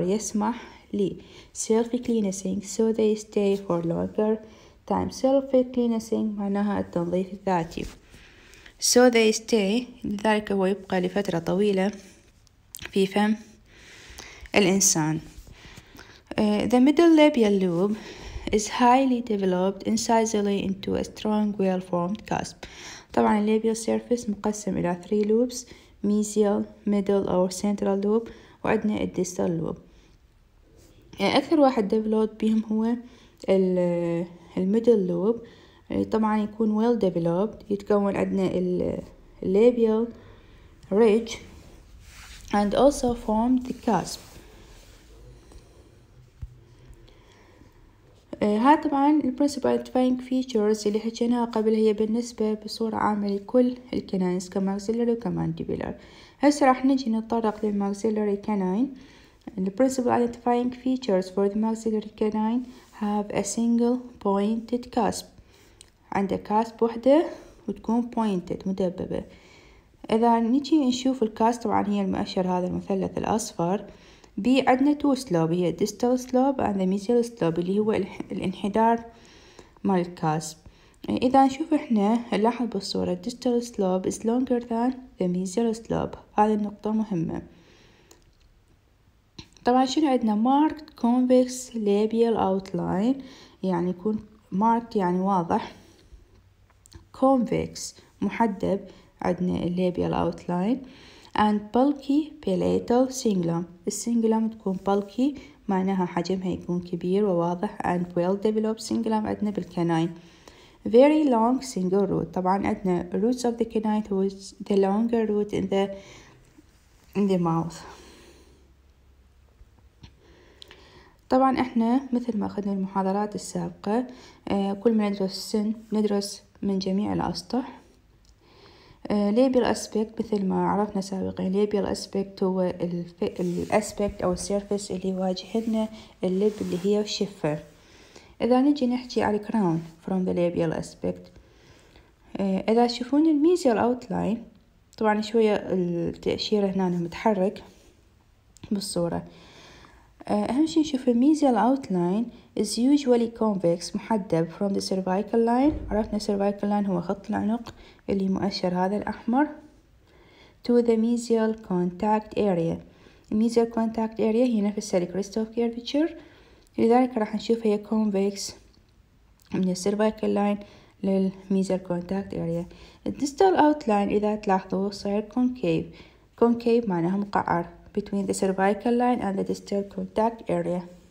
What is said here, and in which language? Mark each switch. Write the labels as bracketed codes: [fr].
[ar] يسمح لي [en] self cleansing so they stay for longer time. Self cleansing [ar] معناها التنظيف الذاتي. [en] So they stay، [ar] لذلك هو يبقى لفترة طويلة في فم الإنسان. [en] The middle labial lobe is highly developed incisally into a strong well formed cusp. طبعا الـ labial surface [ar] مقسم إلى [en] 3 lobes: mesial, middle or central lobe، وعندنا الـ distal lobe. [ar] أكثر واحد developed بهم هو الـ middle lobe، طبعا يكون [en] well developed. [ar] يتكون عندنا الـ [en] labial ridge and also formed the cusp. [ar] هاي طبعا الـ [en] principal identifying features [ar] اللي حكيناها قبل، هي بالنسبة بصورة عامة لكل الـ canines كماكسيلري وكمانديبولار. هسا راح نجي نتطرق للماكسيلري كناين. [en] The principal identifying features for the maxillary canine have a single pointed cusp. [ar] عنده [en] cusp [ar] وحدة وتكون [en] pointed [ar] مدببة. إذا نجي نشوف الكاسب، طبعا هي المؤشر هذا المثلث الأصفر. [en] بي عندنا two slope, هي distal slope and the mesial slope [ar] اللي هو الانحدار مال الكاسب. إذا نشوف احنا نلاحظ بالصورة [en] distal slope is longer than the mesial slope. [ar] هذه النقطة مهمة. طبعا شنو عندنا؟ [en] marked convex labial outline، [ar] يعني يكون marked يعني واضح. [en] convex [ar] محدب عندنا [en] labial outline. and bulky palatal cingulum، السنجلم [ar] تكون bulky معناها حجمها يكون كبير وواضح. [en] and well developed cingulum [ar] عندنا بالكناين. [en] very long single root، [ar] طبعا عندنا [en] roots of the canine was the longer root in the mouth. [ar] طبعا احنا مثل ما اخذنا المحاضرات السابقة، كل ما ندرس السن ندرس من جميع الأسطح. labial aspect مثل ما عرفنا سابقا، labial aspect هو الاسبكت او السيرفس اللي يواجهنا الليب اللي هي الشفة. اذا نجي نحكي على [en] crown from the labial aspect، [ar] اذا تشوفون الميزيال اوتلاين، طبعا شوية التأشيرة هنا متحرك بالصورة. أهم شيء نشوف [en] الميزيال outline is usually convex، محدب from the cervical line. [ar] عرفنا [en] cervical line [ar] هو خط العنق اللي مؤشر هذا الأحمر. [en] to the mesial contact area، mesial contact area هي نفسها crest of curvature، [ar] لذلك راح نشوف هي [en] convex من the cervical line للميزيال contact area. the distal outline [ar] إذا تلاحظوا صار [en] concave، concave معناها مقعر. between the cervical line and the distal contact area.